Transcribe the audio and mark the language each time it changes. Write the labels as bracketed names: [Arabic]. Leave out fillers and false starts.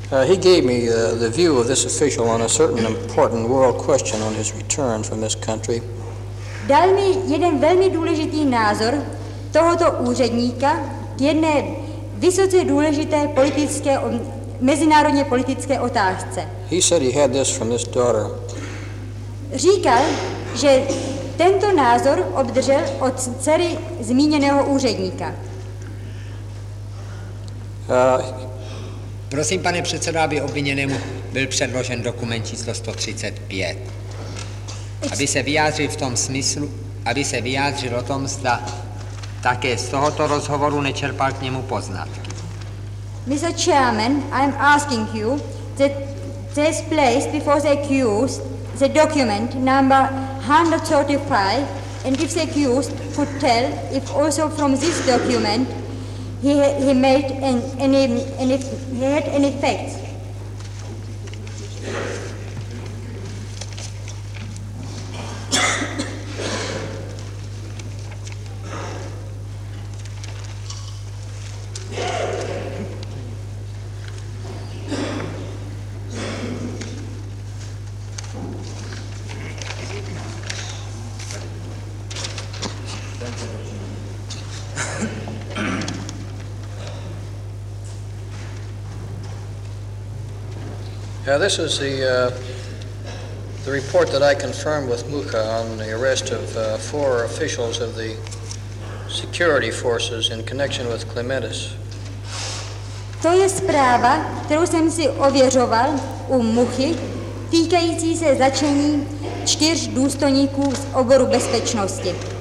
[English] He gave me the view of this official on a certain important world question on his return from this country. [Czech] Dal mi jeden velmi důležitý názor tohoto úředníka k jedné vysoce důležité politické, mezinárodně politické otázce. [English] He said he had this from his daughter. [Czech] Říkal, že tento názor obdržel od dcery zmíněného úředníka. Prosím, pane předsedo, aby obviněnému byl předložen dokument číslo 135. Aby se vyjádřil v tom smyslu, aby se vyjádřil o tom, zda také z tohoto rozhovoru nečerpal k němu poznatky. [English] Mr. Chairman, I am asking you that this place before the accused the document number 135, and if the accused could tell if also from this document he made any he had any facts. Now this is the report that I confirmed with Mukha on the arrest of four officials of the security forces in connection with Clementis. [Czech] To je zpráva, kterou jsem si ověřoval u Muchy, týkající se zatčení čtyř důstojníků z oboru bezpečnosti.